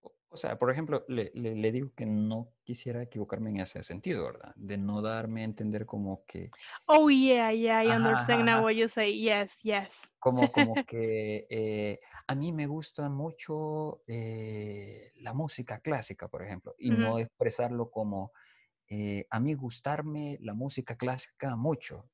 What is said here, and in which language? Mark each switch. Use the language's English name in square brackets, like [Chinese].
[Spanish] O sea, por ejemplo, le digo que no quisiera equivocarme en ese sentido, ¿verdad? De no darme a entender como que... [English] Oh, yeah, I understand now what you say. Yes, yes. [Spanish] Como que a mí me gusta mucho la música clásica, por ejemplo, y mm-hmm. no expresarlo como a mí gustarme la música clásica mucho.